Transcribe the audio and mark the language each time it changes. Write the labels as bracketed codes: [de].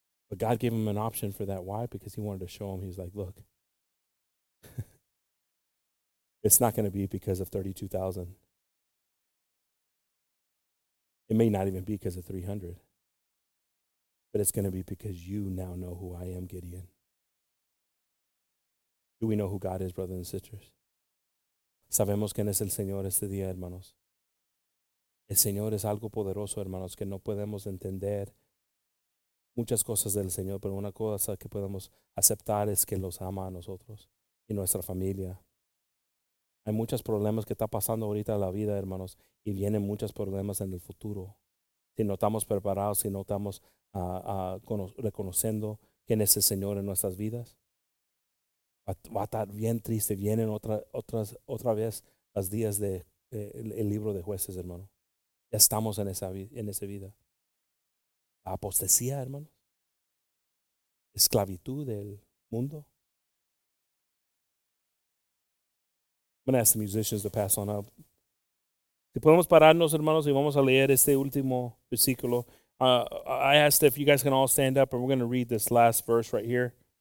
[en] But God gave him an option for that. Why? Because he wanted to show him. He was like, look, it's not going to be because of 32,000. It may not even be because of 300. But it's going to be because you now know who I am, Gideon. Do we know who God is, brothers and sisters? [es] Sabemos quién es el Señor este día, hermanos. El Señor es algo poderoso, hermanos, que no podemos entender muchas cosas del Señor, pero una cosa que podemos aceptar es que los ama a nosotros y nuestra familia. Hay muchos problemas que está pasando ahorita en la vida, hermanos, y vienen muchos problemas en el futuro. Si no estamos preparados, si no estamos reconociendo quién es el Señor en nuestras vidas, va a estar bien triste. Vienen otra vez los días de el libro de jueces, hermano. Ya estamos en esa vida. La apostasía, hermano. Esclavitud del mundo. [en] I'm going to ask the musicians to pass on up. [es] Si podemos pararnos, hermanos, y vamos a leer este último versículo. [en] I asked if you guys can all stand up, and we're going to read this last verse right here.